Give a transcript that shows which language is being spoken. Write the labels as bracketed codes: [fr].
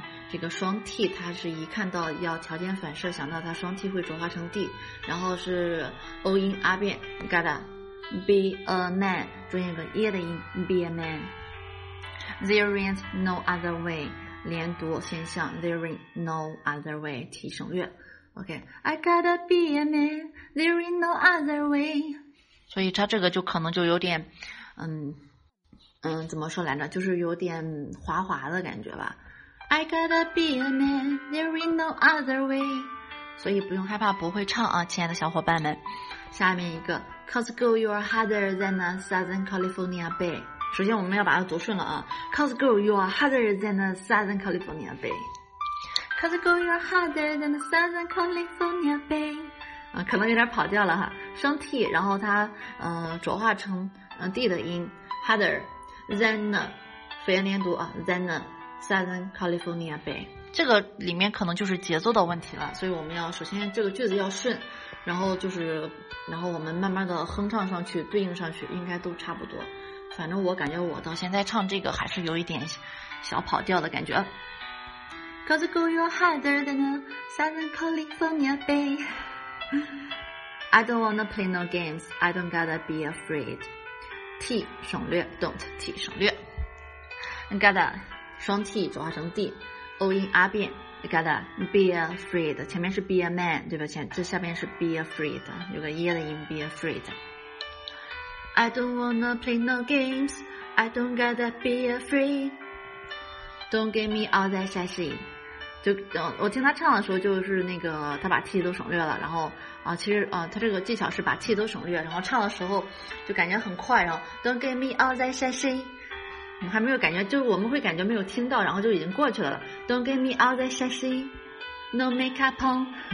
[zh] 这个双 T 它是一看到要条件反射想到它双 T 会浊化成 D, 然后是欧音阿变 , [en] gotta be a man, [zh] 中间有个 E 的音 , [en] be a man. There ain't no other way, [zh] 连读现象 [en] ,there ain't no other way, [zh] 提升乐。 [en] OK, I gotta be a man, there ain't no other way. [zh] 所以它这个就可能就有点怎么说来着，就是有点滑滑的感觉吧。 [en] I gotta be a man, there ain't no other way. [zh] 所以不用害怕不会唱啊，亲爱的小伙伴们。下面一个 [en] Cause girl you're hotter than a Southern California bay. [zh] 首先我们要把它读顺了啊。 [en] Cause girl you're hotter than a Southern California bay. Cause girl you're hotter than a Southern California bay. [zh] 可能有点跑调了哈，双 T, 然后它浊化成D 的音 , [en] hotter than the, [zh] 复元连读啊 , [en] than the Southern California Bay. [zh] 这个里面可能就是节奏的问题了，所以我们要首先这个句子要顺，然后我们慢慢的哼唱上去，对应上去应该都差不多。反正我感觉我到现在唱这个还是有一点小跑调的感觉。 [en] Cause girl you're hotter than the Southern California Bay. I don't wanna play no games, I don't gotta be afraid. T [zh] 省略 [en] ,don't T 省略。 [zh] Gotta, 双 T 转化成 D, 欧音阿变 , [en] gotta be afraid, [zh] 前面是 [en] be a man, [zh] 对吧，这下边是 [en] be afraid, [zh] 有个 E 的音 be afraid。 [en] I don't wanna play no games, I don't gotta be afraid, don't give me all that sassy. 我听他唱的时候就是那个他把 T 都省略了，然后其实他这个技巧是把气都省略，然后唱的时候就感觉很快，然后 Don't give me all that sassy, 我们还没有感觉，就我们会感觉没有听到，然后就已经过去了。 Don't give me all that sassy, no makeup on.